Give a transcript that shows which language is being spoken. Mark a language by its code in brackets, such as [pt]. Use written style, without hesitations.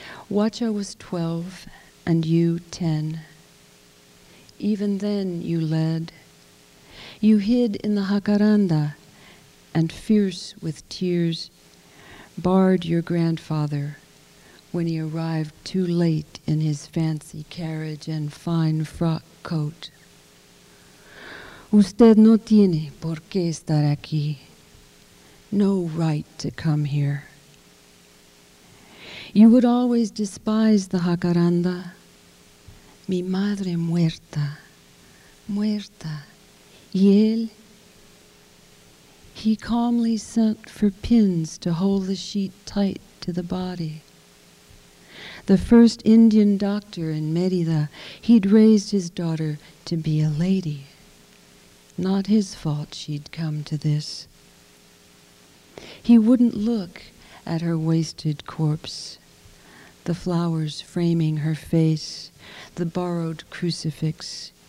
[en] Huacha was 12 and you 10. Even then you led. You hid in the jacaranda and, fierce with tears, barred your grandfather when he arrived too late in his fancy carriage and fine frock coat. [es] Usted no tiene por qué estar aquí. [en] No right to come here. You would always despise the jacaranda. [es] Mi madre muerta, muerta, y él. [en] He calmly sent for pins to hold the sheet tight to the body. The first Indian doctor in Mérida, he'd raised his daughter to be a lady. Not his fault she'd come to this. He wouldn't look at her wasted corpse, the flowers framing her face, the borrowed crucifix.